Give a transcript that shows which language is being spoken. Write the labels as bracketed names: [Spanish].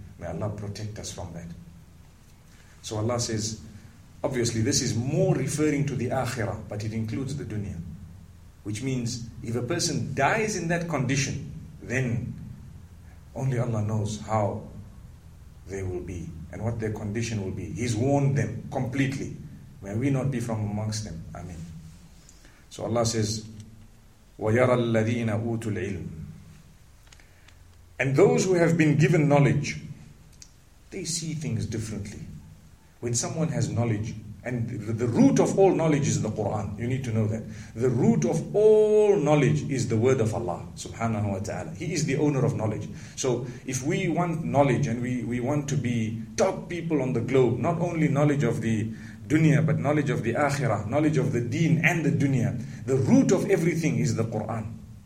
[English] May Allah protect us from that. So Allah says, obviously this is more referring to the akhirah, but it includes the dunya. Which means, if a person dies in that condition, then only Allah knows how they will be and what their condition will be. He's warned them completely. May we not be from amongst them. Ameen. So Allah says, [Arabic] وَيَرَى الَّذِينَ أُوتُوا الْعِلْمِ. [English] And those who have been given knowledge, they see things differently. When someone has knowledge, and the root of all knowledge is the Quran, you need to know that. The root of all knowledge is the word of Allah subhanahu wa ta'ala. He is the owner of knowledge. So if we want knowledge and we want to be top people on the globe, not only knowledge of the dunya, but knowledge of the akhirah, knowledge of the deen and the dunya, the root of everything is the Quran.